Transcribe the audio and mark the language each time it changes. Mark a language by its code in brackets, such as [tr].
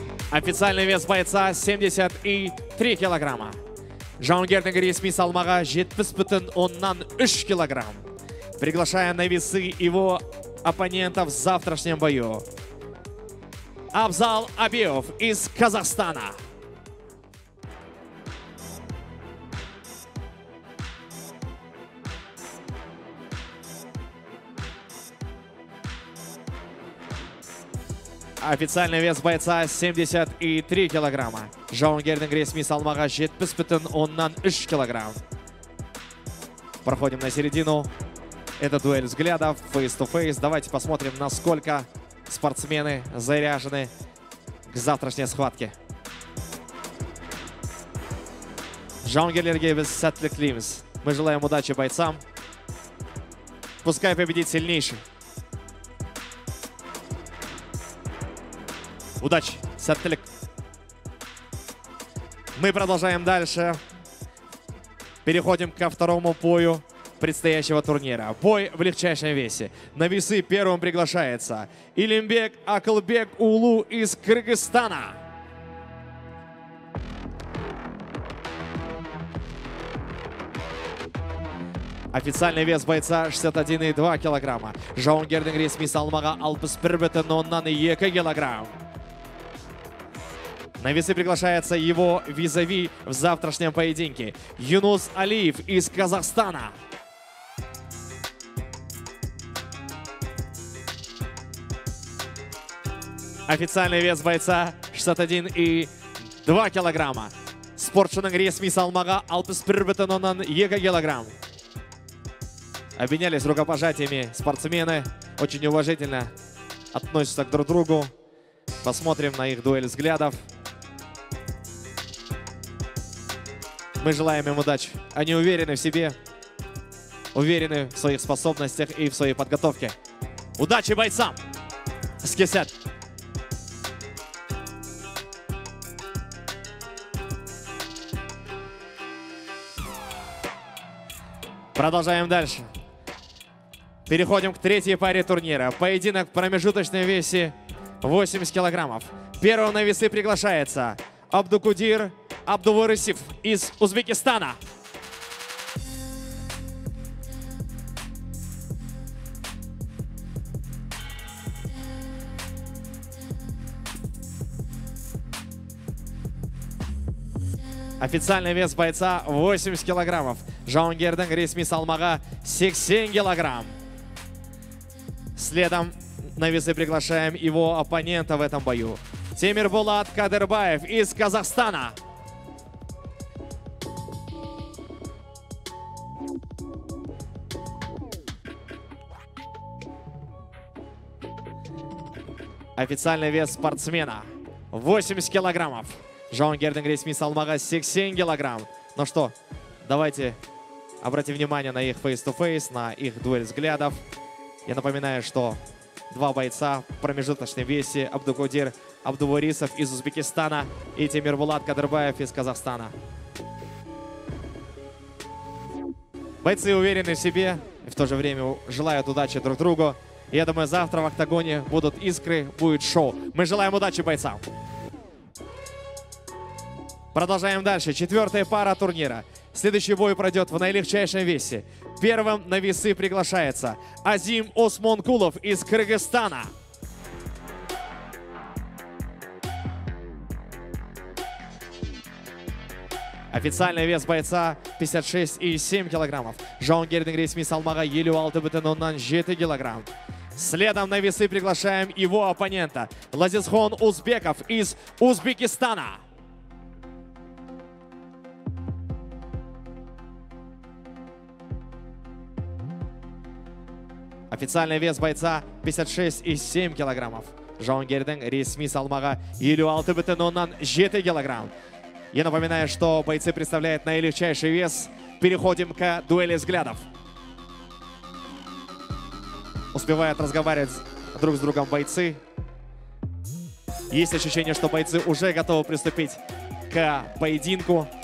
[ru] Официальный вес бойца 73 килограмма. [kk] Жауынгердің ресми салмағы 70,3 килограмм. [ru] Приглашая на весы его оппонента в завтрашнем бою. Абзал Абиев из Казахстана. Официальный вес бойца 73 килограмма. [kk] Жауынгердің ресми салмағы 70,3 килограмм. [ru] Проходим на середину. Это дуэль взглядов, face-to-face. Давайте посмотрим, насколько спортсмены заряжены к завтрашней схватке. [kk] Жауынгерлерге біз сәттілік тілейміз. [ru] Мы желаем удачи бойцам. Пускай победит сильнейший. Удачи, [kk] сәттілік. [ru] Мы продолжаем дальше. Переходим ко второму бою предстоящего турнира. Бой в легчайшем весе. На весы первым приглашается Илимбек Акылбек Улу из Кыргызстана. Официальный вес бойца 61,2 килограмма. [kk] Жауынгердің ресми салмағы 61,2 килограмм. [ru] На весы приглашается его визави в завтрашнем поединке. Юнус Алиев из Казахстана. Официальный вес бойца 61,2 килограмма. [kk] Спортшының ресми салмағы 61,2 килограмм. [ru] Обменялись рукопожатиями спортсмены. Очень уважительно относятся к друг другу. Посмотрим на их дуэль взглядов. Мы желаем им удачи. Они уверены в себе, уверены в своих способностях и в своей подготовке. Удачи бойцам! Скисят! Продолжаем дальше. Переходим к третьей паре турнира. Поединок в промежуточном весе 80 килограммов. Первым на весы приглашается Абдукудир Абдуворисов из Узбекистана. Официальный вес бойца 80 килограммов. [kk] Жауынгердің ресми салмағы 80 килограмм. [ru] Следом на весы приглашаем его оппонента в этом бою. Темирболат Кадырбаев из Казахстана. Официальный вес спортсмена 80 килограммов. [kk] Жауынгердің ресми салмағы 80 килограмм. [ru] Ну что, давайте обратим внимание на их face-to-face, на их дуэль взглядов. Я напоминаю, что два бойца в промежуточном весе. Абдукодир Абдуворисов из Узбекистана и Тимирбулат Кадырбаев из Казахстана. Бойцы уверены в себе и в то же время желают удачи друг другу. Я думаю, завтра в октагоне будут искры, будет шоу. Мы желаем удачи бойцам. Продолжаем дальше. Четвертая пара турнира. Следующий бой пройдет в наилегчайшем весе. Первым на весы приглашается Азим Осмонкулов из Кыргызстана. Официальный вес бойца 56,7 килограммов. [kk] Жаунгердің ресми салмағы 56,7 килограмм. [ru] Следом на весы приглашаем его оппонента Лазисхон Узбеков из Узбекистана. Официальный вес бойца 56,7 килограммов. [kk] Жаунгердің ресми салмағы 56,7 килограмм. [ru] Я напоминаю, что бойцы представляют наилегчайший вес. Переходим к дуэли взглядов. Успевают разговаривать друг с другом бойцы. Есть ощущение, что бойцы уже готовы приступить к поединку.